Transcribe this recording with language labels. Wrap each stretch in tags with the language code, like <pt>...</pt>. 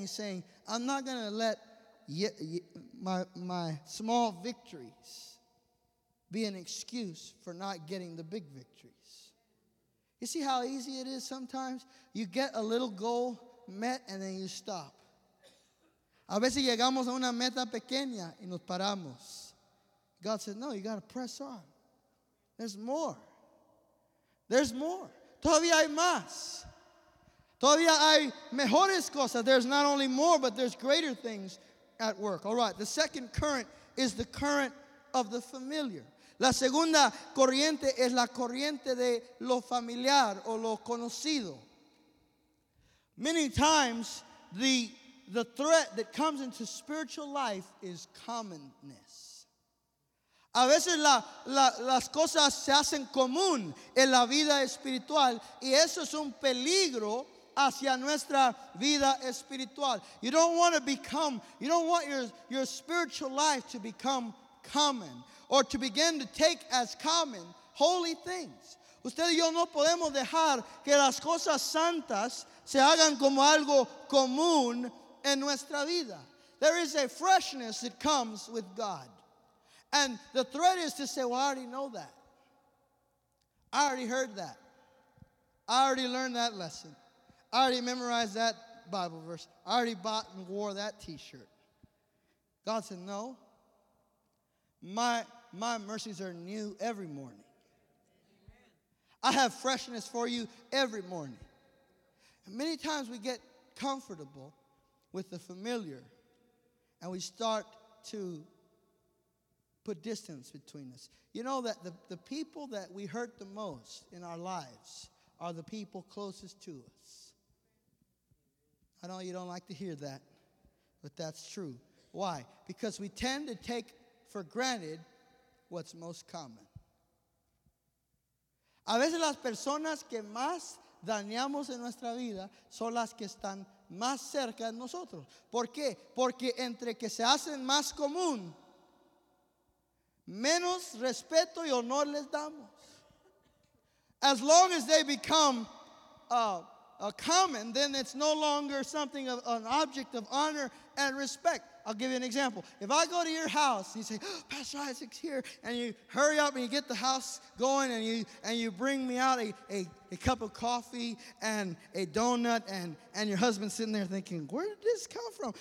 <en>He's saying, I'm not going to let my small victories be an excuse for not getting the big victories. You see how easy it is sometimes? You get a little goal met and then you stop.</en> <es>A veces llegamos a una meta pequeña y nos paramos.</es> <en>God said, no, you got to press on. There's more. There's more.</en> <es>Todavía hay más. Todavía hay mejores cosas.</es> <en>There's not only more, but there's greater things at work. All right, the second current is the current of the familiar.</en> <es>La segunda corriente es la corriente de lo familiar o lo conocido.</es> <en>Many times, the threat that comes into spiritual life is commonness.</en> <es>A veces las cosas se hacen común en la vida espiritual, y eso es un peligro hacia nuestra vida espiritual.</es> <en>You don't want to become, you don't want your spiritual life to become common or to begin to take as common holy things.</en> <es>Usted y yo no podemos dejar que las cosas santas se hagan como algo común en nuestra vida.</es> <en>There is a freshness that comes with God. And the threat is to say, well, I already know that. I already heard that. I already learned that lesson. I already memorized that Bible verse. I already bought and wore that t-shirt. God said, no. My mercies are new every morning. I have freshness for you every morning. And many times we get comfortable with the familiar and we start to put distance between us. You know that the people that we hurt the most in our lives are the people closest to us. I know you don't like to hear that, but that's true. Why? Because we tend to take for granted what's most common.</en> <es>A veces las personas que más dañamos en nuestra vida son las que están más cerca de nosotros. ¿Por qué? Porque entre que se hacen más común, menos respeto y honor les damos.</es> <en>As long as they become common, then it's no longer something of an object of honor and respect. I'll give you an example. If I go to your house and you say, oh, Pastor Isaac's here, and you hurry up and you get the house going and you bring me out a cup of coffee and a donut, and your husband's sitting there thinking, where did this come from?</en>